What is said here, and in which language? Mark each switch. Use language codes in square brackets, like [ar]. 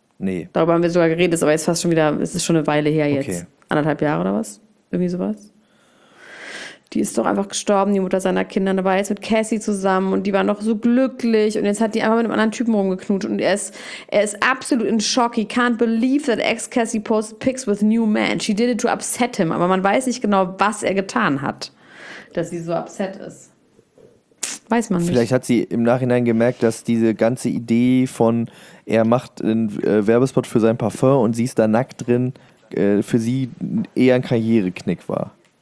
[de] Nee. Darüber haben wir sogar geredet, ist aber jetzt fast schon wieder, ist es schon eine Weile her jetzt. Okay. 1,5 Jahre oder was? Irgendwie sowas. Die ist doch einfach gestorben, die Mutter seiner Kinder. Und da war jetzt mit Cassie zusammen und die waren doch so glücklich. Und jetzt hat die einfach mit einem anderen Typen rumgeknutscht. Und er ist absolut in Schock. [en] He can't believe that ex-Cassie posts pics with new man. She did it to upset him. [de] Aber man weiß nicht genau, was er getan hat, dass sie so upset ist. Weiß man nicht. Vielleicht hat sie im Nachhinein gemerkt, dass diese ganze Idee von, er macht einen Werbespot für sein Parfum und sie ist da nackt drin, für sie eher ein Karriereknick war.